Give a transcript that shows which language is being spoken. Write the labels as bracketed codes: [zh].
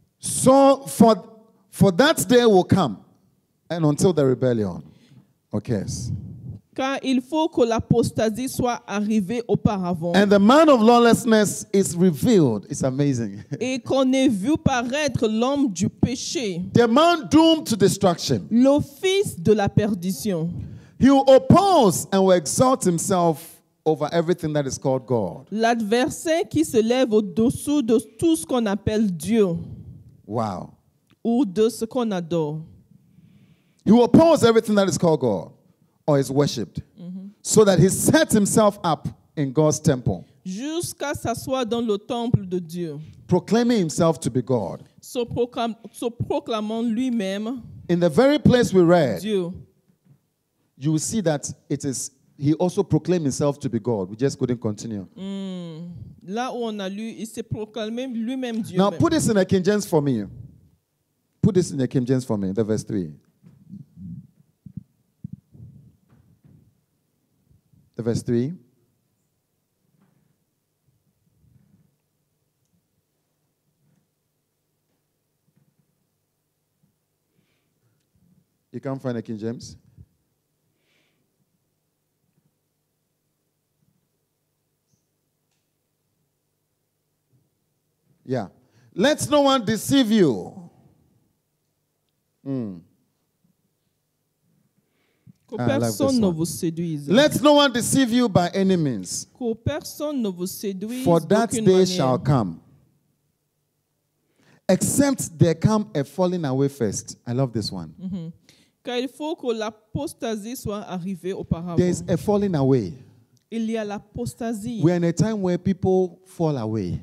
[en] So for that day will come, and until the rebellion occurs. [fr] Car il faut que l'apostasie soit arrivée auparavant. [en] And the man of lawlessness is revealed. It's amazing. [fr] Et qu'on ait vu paraître l'homme du péché. [en] The man doomed to destruction. [fr] Le fils de la perdition. [en] He will oppose and will exalt himself over everything that is called God. [fr] L'adversaire qui se lève au-dessous de tout ce qu'on appelle Dieu. [en] Wow. [fr] Ou de ce qu'on adore. [en] He will oppose everything that is called God or is worshipped. Mm-hmm. So that he sets himself up in God's temple. [fr] Jusqu'à s'asseoir dans le temple de Dieu. [en] Proclaiming himself to be God. [fr] Se proclamant lui-même. [en] In the very place we read. [fr] Dieu. [en] You will see that it is. He also proclaimed himself to be God. We just couldn't continue. [fr] Là où on a lu, il s'est proclamé lui-même Dieu. [en] Now put this in the King James for me. Put this in the King James for me. The verse 3. The verse 3. You can't find the King James. Yeah. Let no one deceive you. [fr] Personne ne vous séduise. [en] Let no one deceive you by any means. [fr] Que personne ne vous séduise. [en] For that day [fr] manière. [en] Shall come. Except there come a falling away first. I love this one. Mm-hmm. [fr] Car il faut que l'apostasie soit arrivée auparavant. [en] There is a falling away. [fr] Il y a l'apostasie. [en] We are in a time where people fall away.